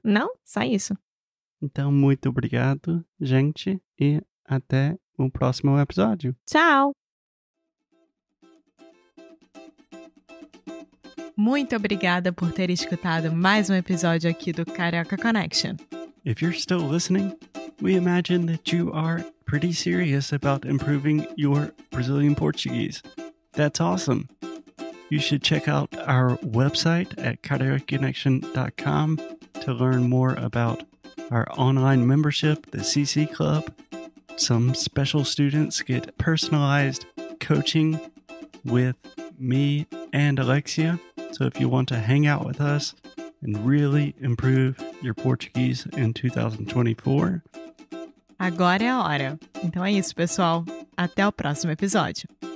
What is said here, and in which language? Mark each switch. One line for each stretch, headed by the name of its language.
Portuguese: Não, só isso. Então, muito obrigado, gente, e até o próximo episódio. Tchau! Muito obrigada por ter escutado mais um episódio aqui do Carioca Connection.
English: If you're still listening, we imagine that you are pretty serious about improving your Brazilian Portuguese. That's awesome. You should check out our website at cariocaconnection.com to learn more about our online membership, the CC Club. Some special students get personalized coaching with me and Alexia. So if you want to hang out with us and really improve your Portuguese in 2024,
Portuguese: agora é a hora. Então é isso, pessoal. Até o próximo episódio.